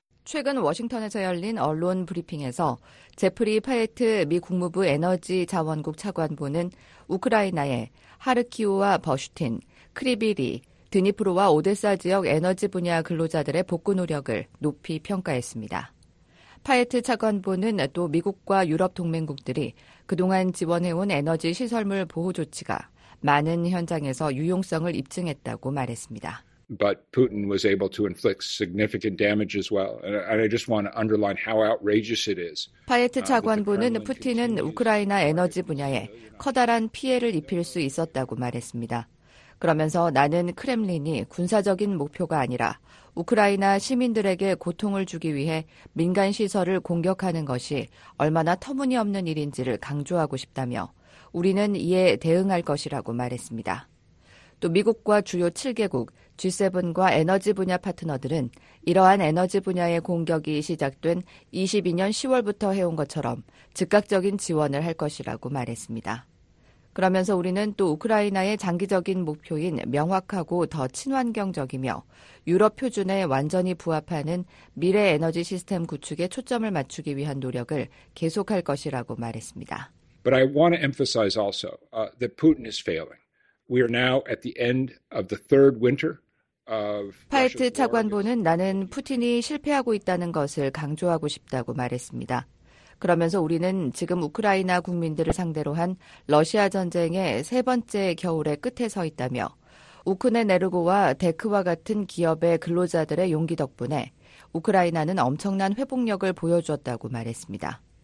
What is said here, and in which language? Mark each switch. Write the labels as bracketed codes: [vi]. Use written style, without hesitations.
[ko] 최근 워싱턴에서 열린 언론 브리핑에서 제프리 파이트 미 국무부 에너지 자원국 차관보는 우크라이나의 하르키우와 버슈틴, 크리비리, 드니프로와 오데사 지역 에너지 분야 근로자들의 복구 노력을 높이 평가했습니다. 파이트 차관보는 또 미국과 유럽 동맹국들이 그동안 지원해온 에너지 시설물 보호 조치가 많은 현장에서 유용성을 입증했다고 말했습니다. [en] But Putin was able to inflict significant damage as well. And I just want to underline how outrageous it is. [ko] 파이트 차관보는 푸틴은 우크라이나 에너지 분야에 커다란 피해를 입힐 수 있었다고 말했습니다. 그러면서 나는 크렘린이 군사적인 목표가 아니라 우크라이나 시민들에게 고통을 주기 위해 민간 시설을 공격하는 것이 얼마나 터무니없는 일인지를 강조하고 싶다며 우리는 이에 대응할 것이라고 말했습니다. 또 미국과 주요 7개국, G7과 에너지 분야 파트너들은 이러한 에너지 분야의 공격이 시작된 22년 10월부터 해온 것처럼 즉각적인 지원을 할 것이라고 말했습니다. 그러면서 우리는 또 우크라이나의 장기적인 목표인 명확하고 더 친환경적이며 유럽 표준에 완전히 부합하는 미래 에너지 시스템 구축에 초점을 맞추기 위한 노력을 계속할 것이라고 말했습니다. [en] But I want to emphasize also that Putin is failing. We are now at the end of the third winter. [ko] 파이트 차관보는 나는 푸틴이 실패하고 있다는 것을 강조하고 싶다고 말했습니다. 그러면서 우리는 지금 우크라이나 국민들을 상대로 한 러시아 전쟁의 세 번째 겨울의 끝에 서 있다며 우크네 네르고와 데크와 같은 기업의 근로자들의 용기 덕분에 우크라이나는 엄청난 회복력을 보여주었다고 말했습니다.